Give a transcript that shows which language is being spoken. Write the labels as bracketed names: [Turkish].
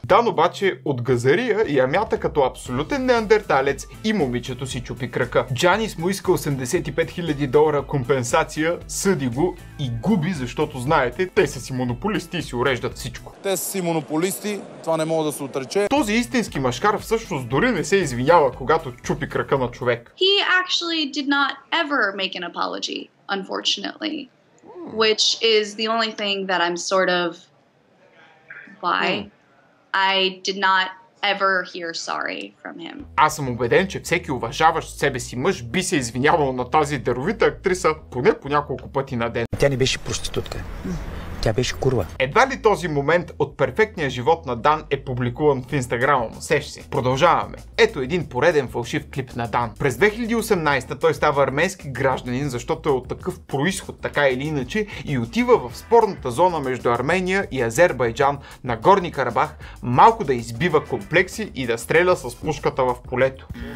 [Bulgarian] Дан обаче от газария я мята като абсолютен неандерталец и момичето си чупи крака. Джанис му иска 85 000 долара компенсация, съди го и губи, защото знаете, те са си монополисти и си уреждат всичко. Те са си монополисти, това не мога да се отрече. Този истински машкар всъщност дори не се извинява, когато чупи крака на човек. [English] He actually did not ever make an apology, unfortunately. Which is the only thing that I'm sort of... Why? I did not ever hear sorry from him. [Bulgarian] Аз съм убеден, че всеки уважаващ себе си мъж би се извинявал на тази даровита актриса поне по няколко пъти на ден. Тя не беше проститутка. Тя беше курва. Едва ли този момент от перфектния живот на Дан е публикуван в Инстаграма му, сеш си. Продължаваме. Ето един пореден фалшив клип на Дан. През 2018-та той става армейски гражданин, защото е от такъв произход, така или иначе, и отива в спорната зона между Армения и Азербайджан на Горни Карабах, малко да избива комплекси и да стреля с пушката в полето.